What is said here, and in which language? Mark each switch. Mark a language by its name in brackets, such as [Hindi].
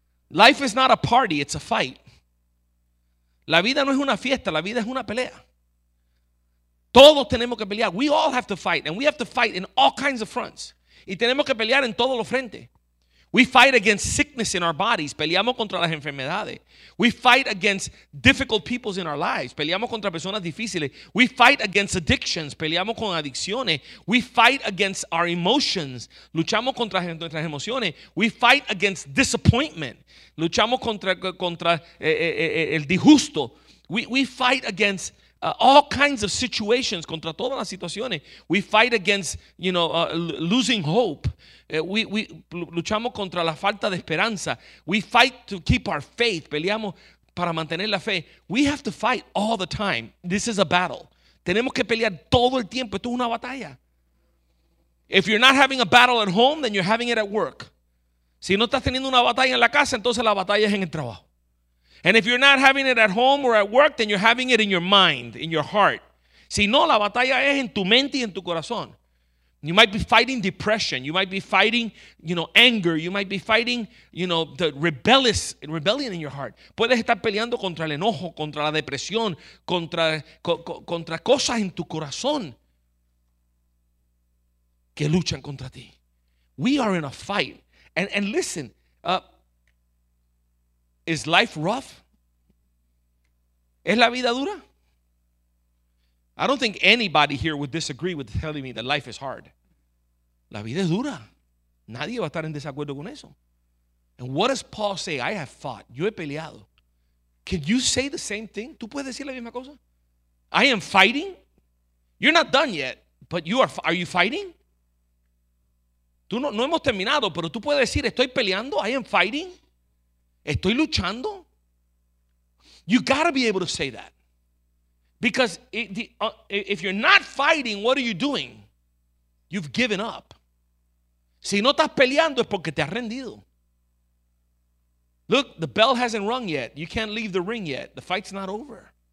[English] Life is not a party, it's a fight. [Spanish] La vida no es una fiesta, la vida es una pelea. Todos tenemos que pelear. [English] We all have to fight, and we have to fight in all kinds of fronts. [Spanish] Y tenemos que pelear en todos los frentes. [English] We fight against sickness in our bodies. [Spanish] Peleamos contra las enfermedades. [English] We fight against difficult peoples in our lives. [Spanish] Peleamos contra personas difíciles. [English] We fight against addictions. [Spanish] Peleamos con adicciones. [English] We fight against our emotions. [Spanish] Luchamos contra nuestras emociones. [English] We fight against disappointment. [Spanish] Luchamos contra el disgusto. [English] We fight against all kinds of situations, [Spanish] contra todas las situaciones. [English] We fight against, losing hope. [Spanish] We luchamos contra la falta de esperanza. [English] We fight to keep our faith. [Spanish] Peleamos para mantener la fe. [English] We have to fight all the time. This is a battle. [Spanish] Tenemos que pelear todo el tiempo. Esto es una batalla. [English] If you're not having a battle at home, then you're having it at work. [Spanish] Si no estás teniendo una batalla en la casa, entonces la batalla es en el trabajo. [English] And if you're not having it at home or at work, then you're having it in your mind, in your heart. [Spanish] Si no, la batalla es en tu mente y en tu corazón. [English] You might be fighting depression. You might be fighting, anger. You might be fighting, the rebellion in your heart. [Spanish] Puedes estar peleando contra el enojo, contra la depresión, contra cosas en tu corazón que luchan contra ti. [English] We are in a fight. And listen, is life rough? [Spanish] ¿Es la vida dura? [English] I don't think anybody here would disagree with telling me that life is hard. [Spanish] La vida es dura. Nadie va a estar en desacuerdo con eso. [English] And what does Paul say? I have fought. [Spanish] Yo he peleado. [English] Can you say the same thing? [Spanish] ¿Tú puedes decir la misma cosa? [English] I am fighting. You're not done yet, but you are. Are you fighting? [Spanish] Tú no hemos terminado, pero tú puedes decir, estoy peleando. [English] I am fighting. [Spanish] Estoy luchando. [English] You got to be able to say that. Because if you're not fighting, what are you doing? You've given up. [Spanish] Si no estás peleando es porque te has rendido. [English] Look, the bell hasn't rung yet. You can't leave the ring yet. The fight's not over.